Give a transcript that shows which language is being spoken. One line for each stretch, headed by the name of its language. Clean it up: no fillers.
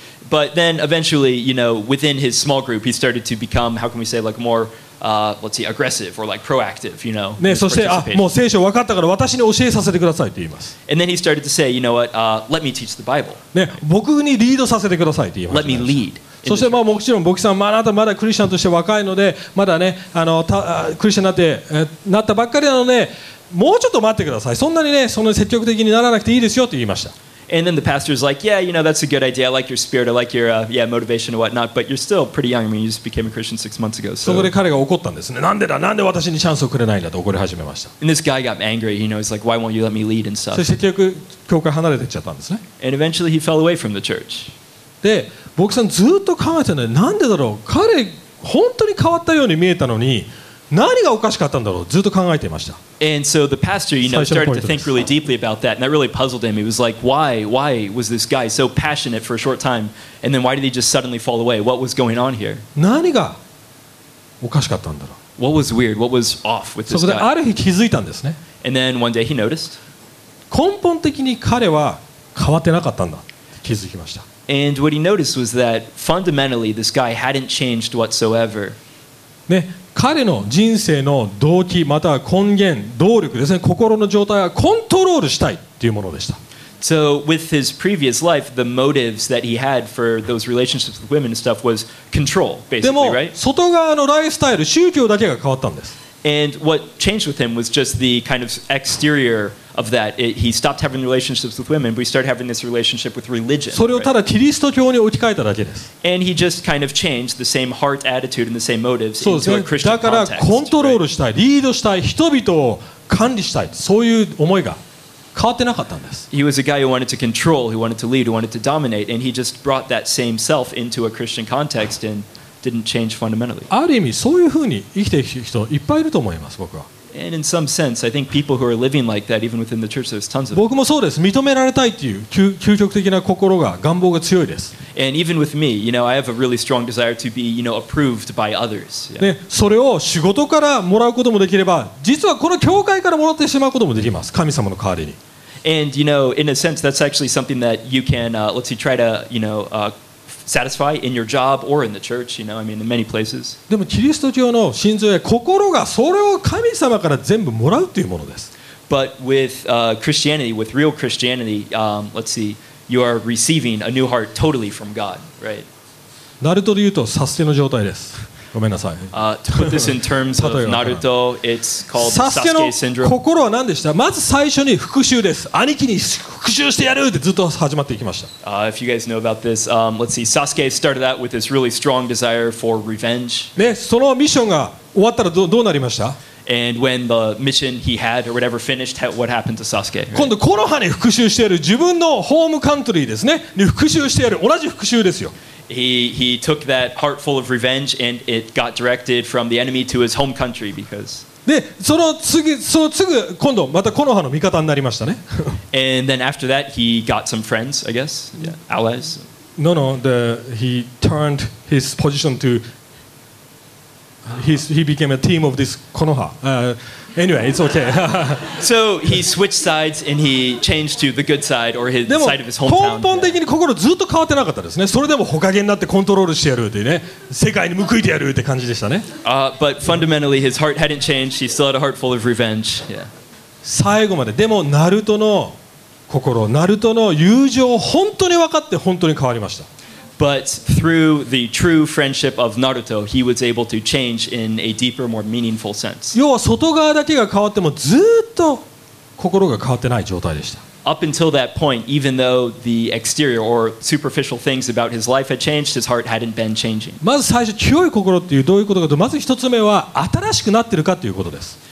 English: But then eventually, you know, within his small group, he started to become, how can we say, like more, let's see, aggressive or like proactive, you know.
Japanese: ね、そして、あ、もう聖書分かったから私に教えさせてくださいって言います。
English: And then he started to say, you know what, let me teach the Bible.
Japanese: ね、僕にリードさせてくださいって言います。
English: Let me lead.
Japanese: そしてまあもちろん牧師さん、まあ、あなたまだクリスチャンとして若いのでまだねクリスチャンになったばっかりなのでもうちょっと待ってください、そんなにねそんな積極的にならなくていいですよと言いました。
English: And then the pastor's like, yeah, you know, that's a good idea. I like your spirit. I like your, yeah, motivation and whatnot. But you're still pretty young. I mean, you just became a Christian 6 months ago.
Japanese: そこで彼が怒ったんですね。なんでだ、なんで私にチャンスをくれないんだと怒り始めました。
English: And this guy got angry. You know, he's like, why won't you let me lead and stuff?
Japanese: そして結局教会離れていっちゃったんですね。
English: And eventually he fell away from the church.
Japanese: で、僕さんずっと考えてるのに、なんでだろう、彼本当に変わったように見えたのに何がおかしかったんだろう、ずっと考えていました。
English: And so the pastor, you know, started to think really deeply about that, and that really puzzled him. He was like, why was this guy so passionate for a short time, and then why did he just suddenly fall away? What was going on here?
Japanese: 何がおかしかったんだろう。
English: What was weird? What was off with this guy?
Japanese: そこである日気づいたんですね。
English: And then one day he noticed.
Japanese: 根本的に彼は変わってなかったんだ、気づきました。
English: And what he noticed was that fundamentally this guy hadn't changed whatsoever.
Japanese: ね、彼の人生の動機または根源、動力ですね、心の状態はコントロールしたいっていうものでした。
English: So with his previous life, the motives that he had for those relationships with women and stuff was control, basically, right?
Japanese: でも外側のライフスタイル、宗教だけが変わったんです。
English: And what changed with him was just the kind of exterior of that. He stopped having relationships with women, but he started having this relationship with religion.
Japanese: それをただキリスト教に置き換えただけです。
English: And he just kind of changed the same heart attitude and the same motives into a Christian context.
Japanese: だからコントロールしたい、リードしたい、人々を管理したい、そういう思いが変わってなかったんです。
English: He was a guy who wanted to control, who wanted to lead, who wanted to dominate, and he just brought that same self into a Christian context and didn't change fundamentally.
Japanese: ある意味そういうふうに生きている人いっぱいいると思います僕は。
English: And in some sense, I think people who are living like that, even within the church, there's tons of.
Japanese: 僕もそうです。認められたいという究極的な心が願望が強いです。
English: And even with me, you know, I have a really strong desire to be, you know, approved by others.
Japanese: Yeah. ね、それを仕事からもらうこともできれば、実はこの教会からもらってしまうこともできます。神様の代わりに。
English: And you know, in a sense, that's actually something that you can, let's see, try to, you know, satisfy in your job or in the church. You know, I mean, in many places.
Japanese: でもキリスト教の心臓や心がそれを神様から全部もらうというものです。
English: But with Christianity, with real Christianity, let's see. You are receiving a new heart totally from God, right?
Japanese: Naruto で言うとサスケの状態です。ごめんなさい。
English: To put this in terms of Naruto, it's called Sasuke syndrome.
Japanese: サスケの心は何でした？まず最初に復讐です。兄貴に復讐してやるってずっと始まっていきました。
English: If you guys know about this, let's see, Sasuke started out with this really strong desire for revenge.
Japanese: ね、そのミッションが終わったらどうなりました？
English: And when the mission he had or whatever finished, what happened to Sasuke?
Japanese: 今度コロハに復讐してやる自分のホームカントリーですね。に復讐してやる同じ復讐ですよ。
English: He took that heart full of revenge and it got directed from the enemy to his home country because.
Japanese: でその次今度またコロハの味方になりましたね。
English: And then after that he got some friends, I guess, yeah, allies. No, no, he turned his position to. He became a team of this Konoha. Anyway, it's okay. So he switched sides and he changed to the good side or his side of his hometown.
Japanese: 根本的に心ずっと変わってなかったですね。それでもほかげになってコントロールしてやるってね、世界に報いてやるって感じでしたね。
English: But fundamentally, his heart hadn't changed. He still had a heart full of revenge. Yeah.
Japanese: 最後まで、でもナルトの心、ナルトの友情を本当に分かって本当に変わりました。
English: But through the true friendship of Naruto, he was able to change in a deeper, more meaningful sense.
Japanese: 要は外側だけが変わってもずっと心が変わってない状態でした。
English: Up until that point, even though the exterior or superficial things about his life had changed, his heart hadn't been changing.
Japanese: まず最初、強い心っていうどういうことかと、まず一つ目は新しくなってるかということです。